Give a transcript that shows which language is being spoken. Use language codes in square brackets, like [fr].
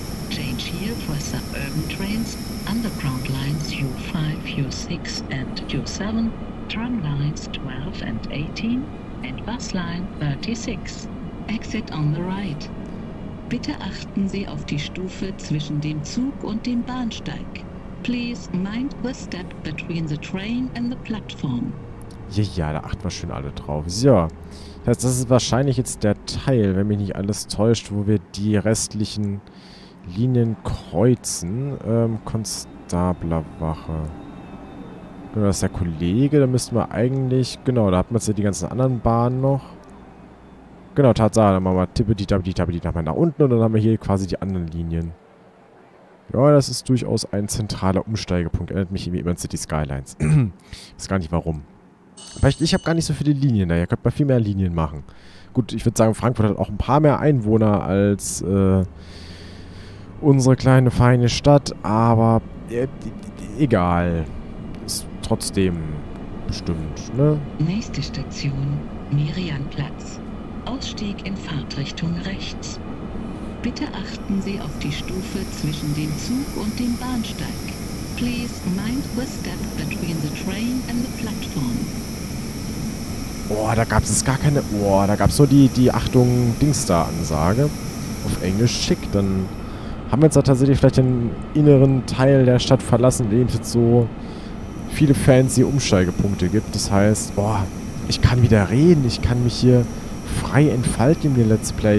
[en] Change here for suburban trains, underground lines U5, U6 and U7, tram lines 12 and 18 and bus line 36. Exit on the right. [de] Bitte achten Sie auf die Stufe zwischen dem Zug und dem Bahnsteig. [en] Please mind the step between the train and the platform. [de] Ja, da achten wir schön alle drauf. So, das ist wahrscheinlich jetzt der Teil, wenn mich nicht alles täuscht, wo wir die restlichen Linien kreuzen. Konstablerwache. Genau, das ist der Kollege. Da müssten wir eigentlich... Genau, da hat man jetzt ja die ganzen anderen Bahnen noch. Genau, Tatsache. Dann machen wir tippe-di-tappe-di-tappe-di nach unten. Und dann haben wir hier quasi die anderen Linien. Ja, das ist durchaus ein zentraler Umsteigepunkt. Erinnert mich irgendwie immer an City Skylines. Ich weiß gar nicht, warum. Vielleicht, ich habe gar nicht so viele Linien da. Ihr könnt mal viel mehr Linien machen. Gut, ich würde sagen, Frankfurt hat auch ein paar mehr Einwohner als unsere kleine, feine Stadt. Aber egal. Ist trotzdem bestimmt, ne? Nächste Station, Merianplatz. Ausstieg in Fahrtrichtung rechts. Bitte achten Sie auf die Stufe zwischen dem Zug und dem Bahnsteig. [en] Please mind the step between the train and the platform. [de] Boah, da gab es gar keine... Boah, da gab es nur die Achtung-Dings-Da-Ansage. Auf Englisch schick. Dann haben wir jetzt da tatsächlich vielleicht den inneren Teil der Stadt verlassen, in dem es jetzt so viele fancy Umsteigepunkte gibt. Das heißt, boah, ich kann wieder reden. Ich kann mich hier frei entfalten in dem Let's Play.